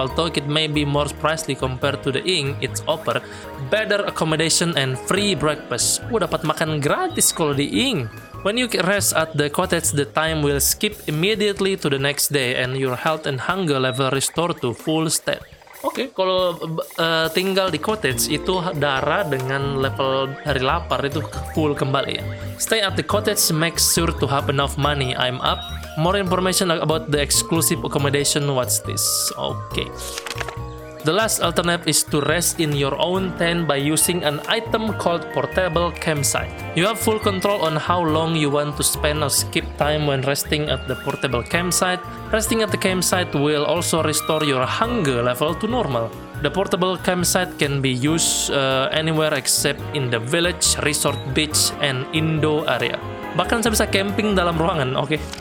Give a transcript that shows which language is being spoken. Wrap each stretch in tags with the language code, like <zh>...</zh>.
<en>Although it may be more pricey compared to the inn, it's offer better accommodation and free breakfast.</en> <id>Dapat makan gratis kalau di inn.</id> <en>When you rest at the cottage, the time will skip immediately to the next day and your health and hunger level restore to full state.</en> <id>Oke, okay, kalau tinggal di cottage itu darah dengan level dari lapar itu full kembali ya.</id> <en>Stay at the cottage, make sure to have enough money. I'm up. More information about the exclusive accommodation, what's this? Okay. The last alternative is to rest in your own tent by using an item called portable campsite. You have full control on how long you want to spend or skip time when resting at the portable campsite. Resting at the campsite will also restore your hunger level to normal. The portable campsite can be used anywhere except in the village, resort, beach, and indoor area.</en> <id>Bahkan saya bisa camping dalam ruangan, okay?</id>